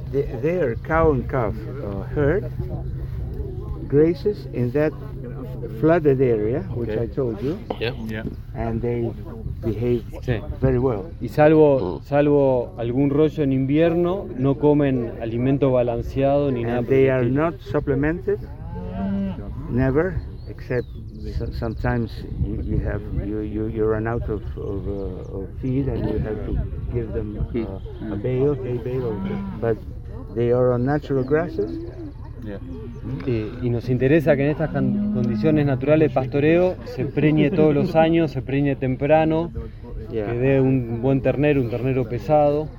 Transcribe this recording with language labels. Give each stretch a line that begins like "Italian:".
English: Their cow and calf herd grazes in that flooded area, which okay. I told you. Yeah. Yeah. And they behave
Spanish: sí.
English: very well.
Spanish: Y salvo algún rollo en invierno, no comen alimento balanceado ni
English: and
Spanish: nada.
English: They are not supplemented. Never, except sometimes you run out of feed and you have to give them a bale, hay bale. But they are on natural grasses. Yeah.
Spanish: Y nos interesa que en estas condiciones naturales de pastoreo se preñe todos los años, se preñe temprano,
English: yeah.
Spanish: que dé un buen ternero, un ternero pesado.